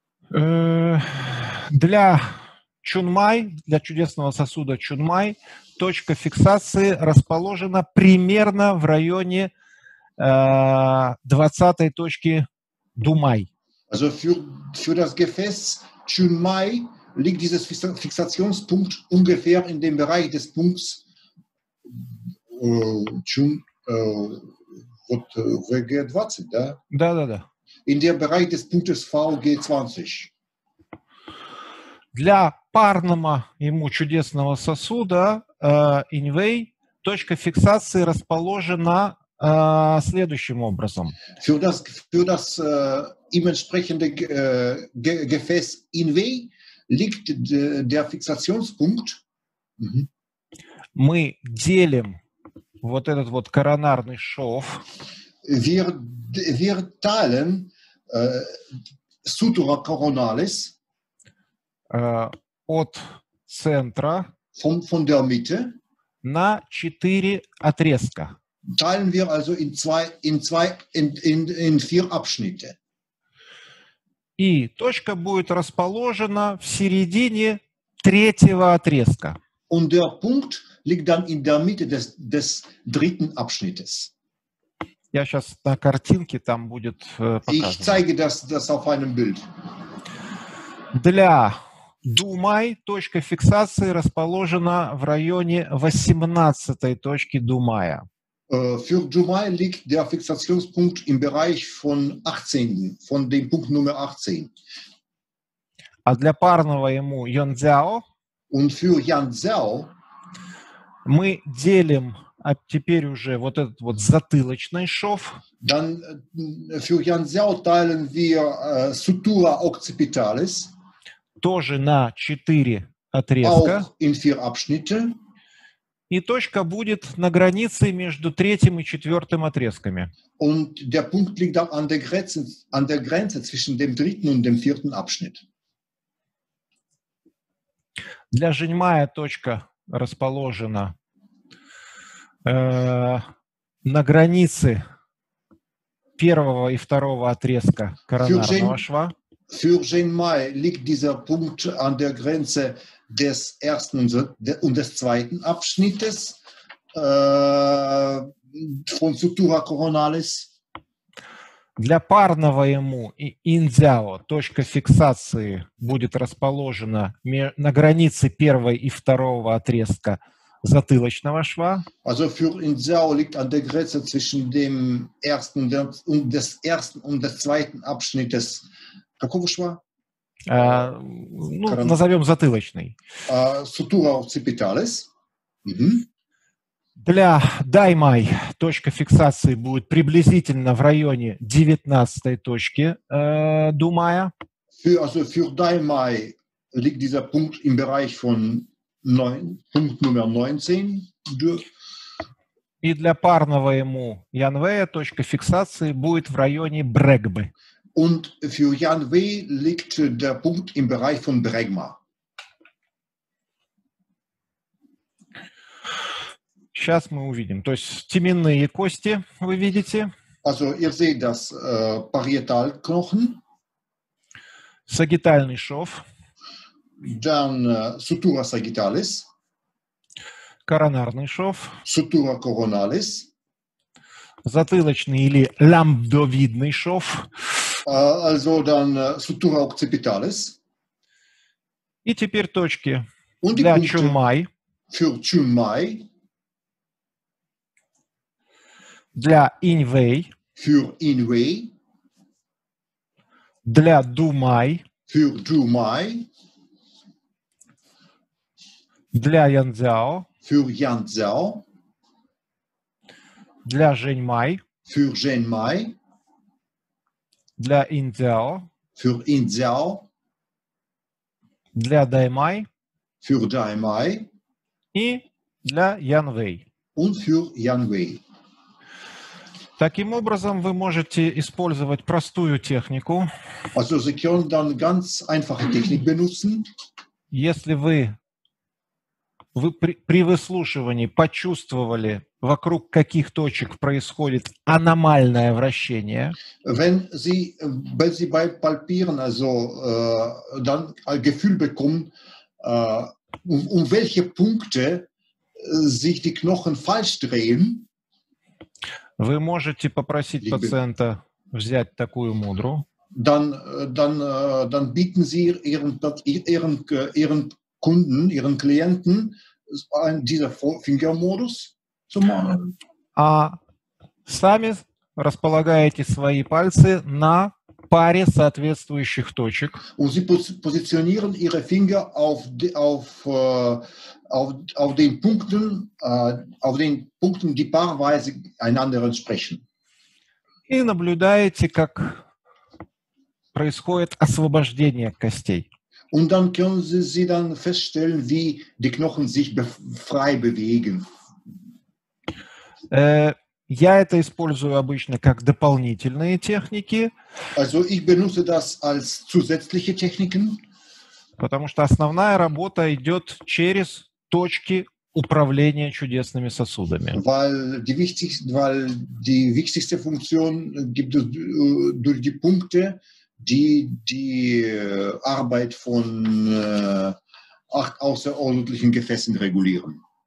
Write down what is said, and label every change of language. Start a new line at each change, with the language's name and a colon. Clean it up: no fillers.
Russian: Для Чунмай, для чудесного сосуда Чунмай, точка фиксации расположена примерно в районе 20-й точки Думай.
German: Also für das Gefäß Чунмай liegt dieses Fixationspunkt ungefähr in dem Bereich des Punkts WG20,
Russian: да? Да, да, да.
German: In dem Bereich des Punktes VG20.
Russian: Для парного ему чудесного сосуда Invey точка фиксации расположена следующим образом.
German: Für das entsprechende Gefäß Invey liegt der Fixationspunkt.
Russian: Мы делим вот этот вот коронарный шов.
German: Wir teilen sutura coronalis
Russian: от центра
German: von der Mitte
Russian: на четыре отрезка.
German: Teilen wir also in vier Abschnitte.
Russian: И точка будет расположена в середине третьего отрезка.
German: Und der Punkt liegt dann in der Mitte des dritten Abschnittes.
Russian: Я сейчас на картинке там будет показывать.
German: Ich zeige das auf einem Bild.
Russian: Для Думай точка фиксации расположена в районе 18-й точки Думая.
German: Für Dumai liegt der Fixationspunkt im Bereich von 18, von dem Punkt Nummer 18.
Russian: А для парного ему Янцзяо.
German: Und für Янцзяо
Russian: мы делим, а теперь уже вот этот вот затылочный шов.
German: Dann für Янцзяо teilen wir sutura occipitalis.
Russian: Тоже на четыре отрезка.
German: Auch in vier Abschnitte.
Russian: И точка будет на границе между третьим и четвертым отрезками.
German: Und der Punkt liegt dann an der Grenze zwischen dem dritten und dem vierten Abschnitt.
Russian: Для Жэньмая точка расположена на границе первого и второго отрезка коронарного шва.
German: Für Жэньмай liegt dieser Punkt an der Grenze des ersten und des zweiten Abschnittes von Sutura coronalis.
Russian: Для парного ему Инцзяо точка фиксации будет расположена на границе первого и второго отрезка затылочного шва.
German: Also für Инцзяо liegt an der Grenze zwischen dem ersten und des ersten und des zweiten Abschnittes.
Russian: Какого шва? Ну, назовем затылочный. Сутура occipitalis. Для Даймай точка фиксации будет приблизительно в районе 19-й точки Думая. Für Даймай liegt dieser Punkt im Bereich von 9, Punkt Nummer 19. И для парного ему Янвэя точка фиксации будет в районе Брэгбы.
German: Und für Jan Wei liegt der Punkt im Bereich von Bregma.
Russian: Сейчас мы увидим. То есть теменные кости вы видите.
German: Also ihr seht das Parietalknochen.
Russian: Sagittalный шов.
German: Dann Sutura Sagittalis.
Russian: Коронарный шов.
German: Sutura Coronalis.
Russian: Затылочный или ламбдовидный шов.
German: Also dann sutura occipitalis.
Russian: И теперь точки.
German: Und
Russian: для Чунмай.
German: Für Чунмай.
Russian: Для Инвэй.
German: Für Инвэй.
Russian: Для Думай.
German: Für Думай.
Russian: Для Янцзяо.
German: Für Янцзяо.
Russian: Для Жэньмай.
German: Für Жэньмай.
Russian: Для Инцзяо.
German: Für Инцзяо.
Russian: Для Даймай.
German: Für Даймай.
Russian: И для Янвэй.
German: Und für Янвэй.
Russian: Таким образом, вы можете использовать простую технику.
German: Also, Sie können dann ganz einfache Technik benutzen.
Russian: Если вы при выслушивании почувствовали, вокруг каких точек происходит аномальное вращение.
German: Wenn Sie beim Palpieren also dann ein Gefühl bekommen, welche Punkte sich die Knochen falsch drehen,
Russian: вы можете попросить пациента взять такую мудру.
German: Dann bieten Sie ihren Klienten diesen Fingermodus.
Russian: А сами располагаете свои пальцы на паре соответствующих точек.
German: Und Sie positionieren Ihre Finger auf den Punkten, die paarweise einander entsprechen.
Russian: И наблюдаете, как происходит освобождение костей.
German: Und dann können Sie dann feststellen, wie die Knochen sich frei bewegen.
Russian: Я это использую обычно как дополнительные техники.
German: Also ich benutze das als zusätzliche Techniken.
Russian: Потому что основная работа идет через точки управления чудесными сосудами.
German: Weil die wichtigste Funktion gibt es durch die Punkte, die Arbeit von acht außerordentlichen Gefäßen regulieren.